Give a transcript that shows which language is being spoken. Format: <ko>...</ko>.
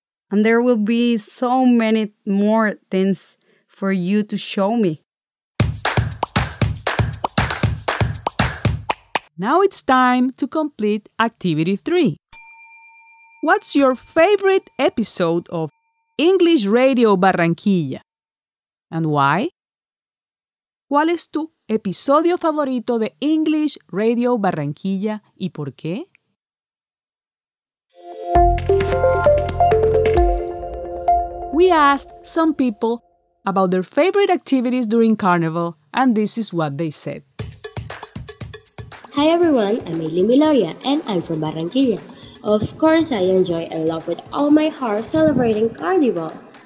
<en>And there will be so many more things for you to show me. Now it's time to complete activity 3. What's your favorite episode of English Radio Barranquilla? And why?</en> <es>¿Cuál es tu episodio favorito de English Radio Barranquilla y por qué?</es> <en>We asked some people about their favorite activities during Carnival, and this is what they said. Hi everyone, I'm Eileen Miloria, and I'm from Barranquilla. Of course, I enjoy and love with all my heart celebrating Carnival.</en>